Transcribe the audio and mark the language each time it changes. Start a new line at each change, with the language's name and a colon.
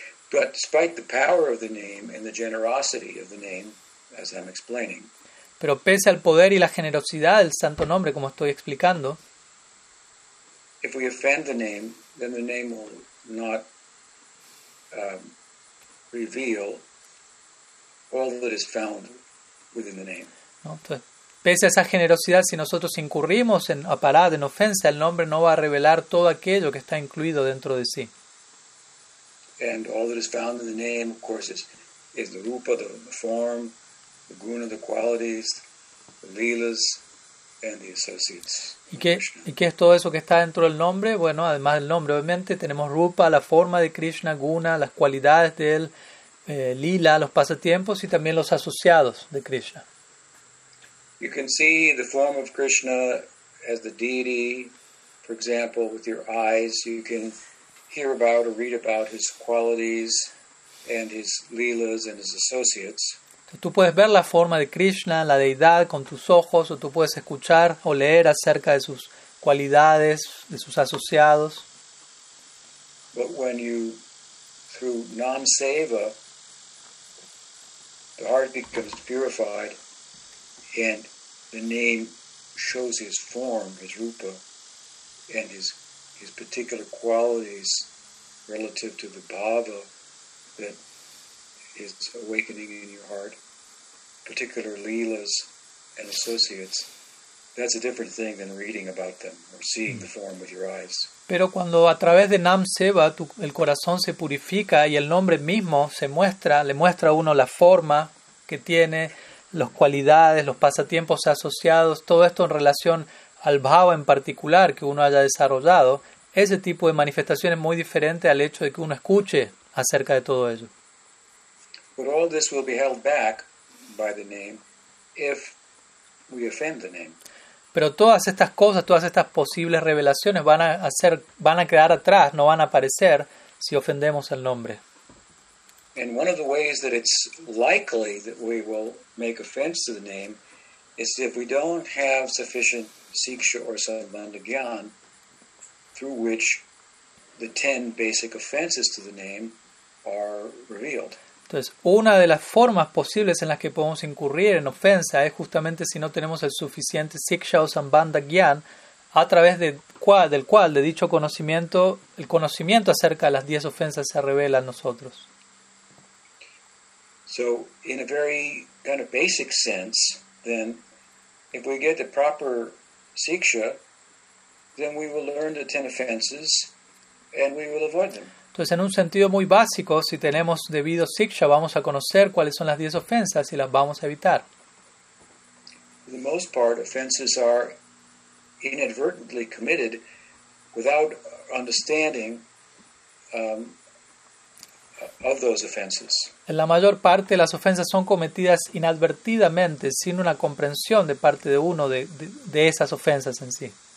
English: But despite the power of the name and the generosity of the name, as I'm explaining.
Spanish: Pero pese al poder y la generosidad del santo nombre, como estoy explicando.
English: If we offend the name, then the name will not reveal all that is found within the name.
Spanish: No, entonces, pese a esa generosidad, si nosotros incurrimos en aparada, en ofensa, el nombre no va a revelar todo aquello que está incluido dentro de sí.
English: And all that is found in the name, of course, is the rupa, the form, the guna, the qualities, the lilas, and the associates.
Spanish: ¿Y qué es todo eso que está dentro del nombre? Bueno, además del nombre, obviamente, tenemos rupa, la forma de Krishna, guna, las cualidades de él, lila, los pasatiempos y también los asociados de Krishna.
English: You can see the form of Krishna as the deity, for example, with your eyes. You can hear about or read about his qualities and his lilas and his associates.
Spanish: Tú puedes ver la forma de Krishna, la deidad, con tus ojos, o tú puedes escuchar o leer acerca de sus cualidades, de sus asociados.
English: But when you, through nam-seva, the heart becomes purified and the name shows his form, his rupa, and his particular qualities relative to the bhava that is awakening in your heart. Particular lilas and associates, that's a different thing than reading about them or seeing the form with your eyes.
Spanish: Pero cuando a través de Nam Seva el corazón se purifica y el nombre mismo se muestra, le muestra a uno la forma que tiene, las cualidades, los pasatiempos asociados, todo esto en relación al bhava en particular que uno haya desarrollado, ese tipo de manifestación es muy diferente al hecho de que uno escuche acerca de todo ello.
English: But all this will be held back by the name, if we offend the name.
Spanish: Pero todas estas cosas, todas estas posibles revelaciones van a quedar atrás, no van a aparecer si ofendemos el nombre.
English: And one of the ways that it's likely that we will make offense to the name is if we don't have sufficient siksha or sambandha gyan through which the 10 basic offenses to the name are revealed.
Spanish: Entonces, una de las formas posibles en las que podemos incurrir en ofensa es justamente si no tenemos el suficiente siksha o sambandha gyan a través del cual, de dicho conocimiento, el conocimiento acerca de las 10 ofensas se revela a nosotros.
English: So, in a very kind of basic sense, then, if we get the proper siksha, then we will learn the 10 offenses and we will avoid them.
Spanish: Entonces, en un sentido muy básico, si tenemos debido siksha, vamos a conocer cuáles son las 10 ofensas y las vamos a evitar.
English: For the most part, offenses are inadvertently committed without understanding of those offenses.
Spanish: En la mayor parte, las ofensas son cometidas inadvertidamente, sin una comprensión de parte de uno de esas ofensas en sí.